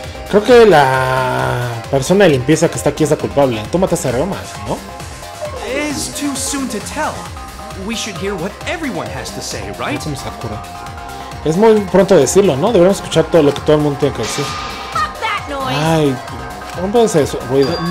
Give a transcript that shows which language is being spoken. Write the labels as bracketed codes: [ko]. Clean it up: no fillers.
[es] Creo que la persona de limpieza que está aquí es la culpable. Tú mataste a Ryoma, ¿no? [en] Es too soon to tell. We should hear what everyone has to say, right? [es] Es muy pronto decirlo, ¿no? Deberíamos escuchar todo lo que todo el mundo tiene que decir. Ay, ¿Cómo puede ser eso, ruido?